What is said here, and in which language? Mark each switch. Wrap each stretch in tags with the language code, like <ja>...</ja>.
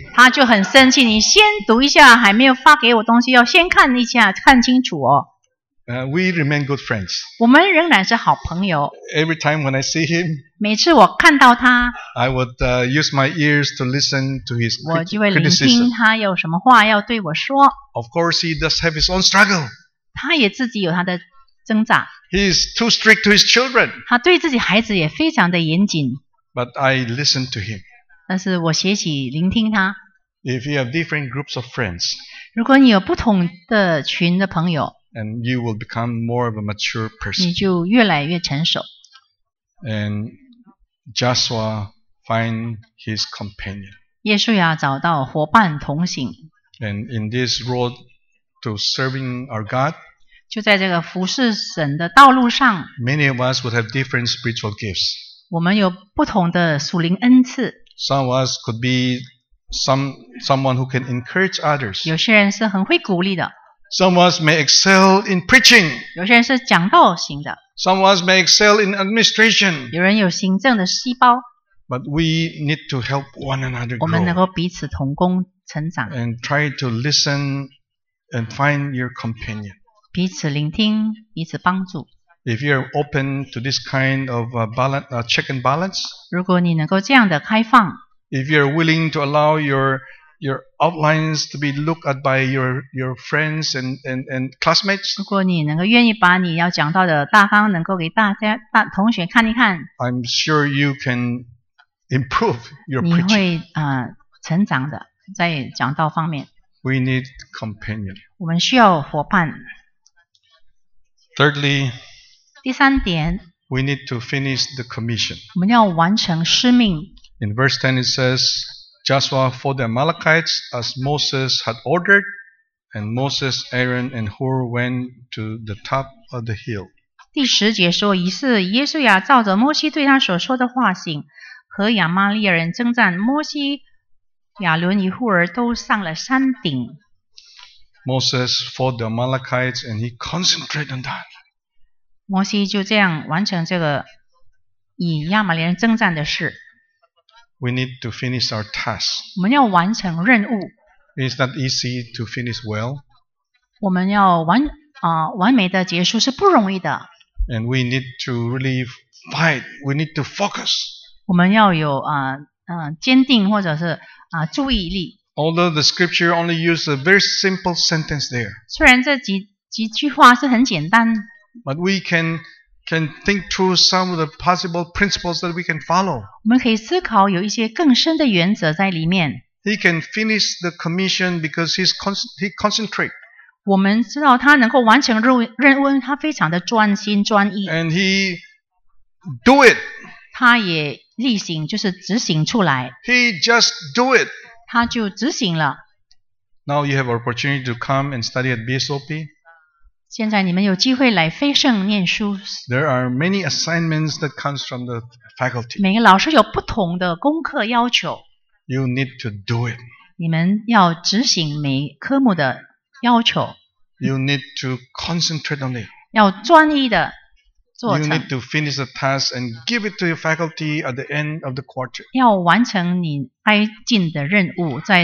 <zh>他就很生气，你先读一下，还没有发给我东西，要先看一下，看清楚哦。</zh> <en>We remain good friends.</en> <zh>我们仍然是好朋友。</zh> <en>Every time when I see him,</en> <zh>每次我看到他，</zh> <en>I would use my ears to listen to his criticism.</en> <zh>我就会聆听他有什么话要对我说。</zh> <en>Of course, he does have his own struggle.</en> <zh>他也自己有他的挣扎。</zh> <en>He is too strict to his children.</en> <zh>他对自己孩子也非常的严谨。</zh> <en>But I listen to him.</en> <zh>但是我学习聆听他。</zh> <en>If you have different groups of friends,</en> <zh>如果你有不同的群的朋友。</zh> <en>And you will become more of a mature person.</en> <zh>你就越来越成熟。</zh> <en>And Joshua find his companion.</en> <zh>耶稣亚找到伙伴同行。</zh> <en>And in this road to serving our God,</en> <zh>就在这个服侍神的道路上，</zh> <en>many of us would have different spiritual gifts.</en> <zh>我们有不同的属灵恩赐。</zh> <en>Some of us could be someone who can encourage others.</en> <zh>有些人是很会鼓励的。</zh> <en>Some of us may excel in preaching.</en> <zh>有些人是讲道型的。</zh> <en>Some of us may excel in administration.</en> <zh>有人有行政的细胞。</zh> <en>But we need to help one another grow.</en> <zh>我们能够彼此同工成长。</zh> <en>And try to listen and find your companion.</en> <zh>彼此聆听，彼此帮助。</zh> <en>If you're open to this kind of balance, check and balance.</en> <zh>如果你能够这样的开放。</zh> <en>If you're willing to allow your outlines to be looked at by your friends and classmates.</en> <zh>如果你能够愿意把你要讲到的大纲能够给大同学看一看。</zh> <en>I'm sure you can improve your preaching.</en> <zh>你会成长的。在讲道方面。</zh> <en>We need companion.</en> <zh>我们需要伙伴。</zh> <en>Thirdly,</en> <zh>第三点，</zh> <en>We need to finish the commission.</en> <zh>我们要完成使命。</zh> <en>In verse 10 it says, Joshua fought the Amalekites as Moses had ordered, and Moses, Aaron, and Hur went to the top of the hill.</en> <zh>第十节说，于是耶稣亚照着摩西对他所说的话行，和亚玛利人征战，摩西、亚伦与户儿都上了山顶。</zh> <en>Moses fought the Amalekites and he concentrated on that.</en> <zh>摩西就这样完成这个与亚玛利人征战的事。</zh> <en>We need to finish our task.</en> <zh>我们要完成任务。</zh> <en>It's not easy to finish well.</en> <zh>我们要完美的结束是不容易的。</zh> <en>And we need to really fight. We need to focus.</en> <zh>我们要有坚定或者是注意力。</zh> <en>Although the scripture only used a very simple sentence there.</en> <zh>虽然这几句话是很简单。</zh> <en>But we can think through some of the possible principles that we can follow.</en> <zh>我们可以思考有一些更深的原则在里面。</zh> <en>He can finish the commission because he concentrate.</en> <zh>我们知道他能够完成任务，他非常的专心专意。</zh> <en>And he do it.</en> <zh>他也例行，就是执行出来。</zh> <en>He just do it.</en> <zh>他就执行了。</zh> <en>Now you have opportunity to come and study at BSOP.</en> <zh>现在你们有机会来飞圣念书。</zh> <en>There are many assignments that comes from the faculty.</en> <zh>每个老师有不同的功课要求。</zh> <en>You need to do it.</en> <zh>你们要执行每科目的要求。</zh> <en>You need to concentrate on it.</en> <zh>要专一的做</zh> <en>成。You need to finish the task and give it to your faculty at the end of the quarter.</en> <zh>要完成你该尽的任务，在</zh>